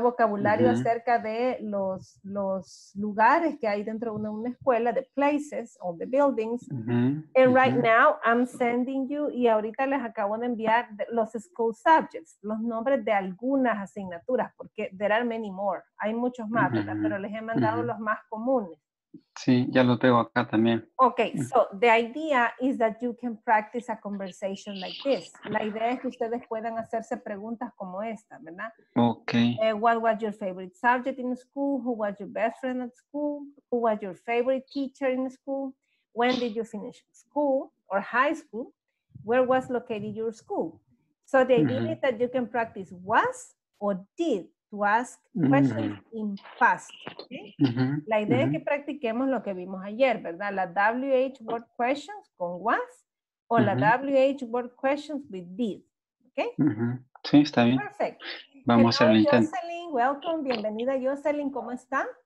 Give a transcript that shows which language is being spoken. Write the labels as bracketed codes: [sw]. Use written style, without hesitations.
[es] Vocabulario uh-huh. acerca de los lugares que hay dentro de una escuela, [en] the places or the buildings. [es] Uh-huh. [en] And right [es] uh-huh. [en] now I'm sending you, [es] y ahorita les acabo de enviar los school subjects, los nombres de algunas asignaturas, porque [en] there are many more. [es] Hay muchos más, uh-huh. ¿verdad? Pero les he mandado uh-huh. los más comunes. Sí, ya lo tengo acá también. [en] Okay, so the idea is that you can practice a conversation like this. [es] La idea es que ustedes puedan hacerse preguntas como esta, ¿verdad? [en] Okay. What was your favorite subject in school? Who was your best friend at school? Who was your favorite teacher in school? When did you finish school or high school? Where was located your school? So the idea mm-hmm. is that you can practice was or did. To ask questions mm-hmm. in past. Okay? Mm-hmm. [es] La idea mm-hmm. es que practiquemos lo que vimos ayer, ¿verdad? La WH word questions con was o mm-hmm. [en] la WH word questions with did. ¿Ok? [es] Mm-hmm. Sí, está bien. Perfecto. Vamos a hacer el intento. Jocelyn, [en] welcome. [es] Bienvenida, Jocelyn. ¿Cómo está?